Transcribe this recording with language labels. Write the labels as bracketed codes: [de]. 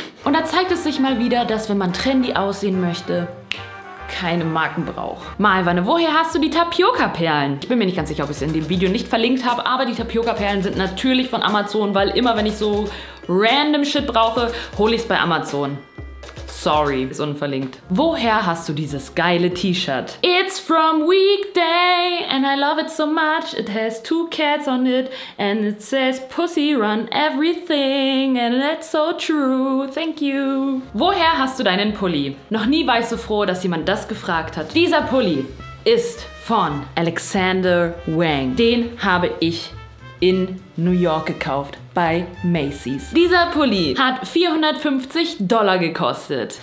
[de] Und da zeigt es sich mal wieder, dass wenn man trendy aussehen möchte, keine Marken braucht. Malwanne, woher hast du die Tapioca-Perlen? Ich bin mir nicht ganz sicher, ob ich es in dem Video nicht verlinkt habe, aber die Tapioca-Perlen sind natürlich von Amazon, weil immer, wenn ich so random Shit brauche, hole ich es bei Amazon. Sorry, ist unverlinkt. Woher hast du dieses geile T-Shirt? [en] It's from Weekday and I love it so much. It has two cats on it and it says Pussy run everything and that's so true. Thank you. [de] Woher hast du deinen Pulli? Noch nie war ich so froh, dass jemand das gefragt hat. Dieser Pulli ist von Alexander Wang. Den habe ich in New York gekauft. Bei Macy's. Dieser Pulli hat $450 gekostet.